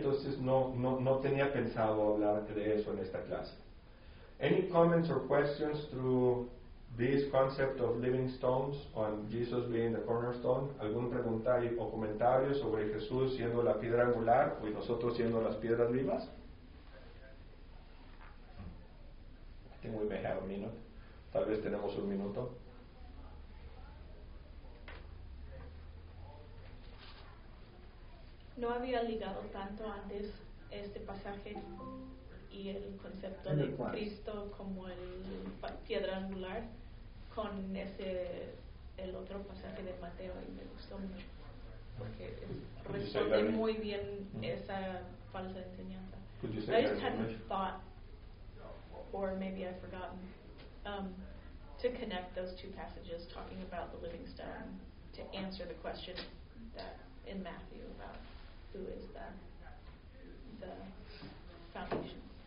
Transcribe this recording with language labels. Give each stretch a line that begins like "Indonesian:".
Spanish: Entonces no tenía pensado hablar de eso en esta clase.
English: Any comments or questions through this concept of living stones on Jesus being the cornerstone?
Spanish: ¿Algún pregunta o comentario sobre Jesús siendo la piedra angular o nosotros siendo las piedras vivas?
English: I think we may have a minute.
Spanish: Tal vez tenemos un minuto. No había ligado tanto antes este pasaje y el concepto de Cristo como el piedra angular con ese el otro pasaje de Mateo, y me gustó mucho porque responde muy bien esa falsa enseñanza.
English: I just hadn't thought, or maybe I've forgotten, to connect those two passages talking about the living stone to answer the question that in Matthew about who is the foundation.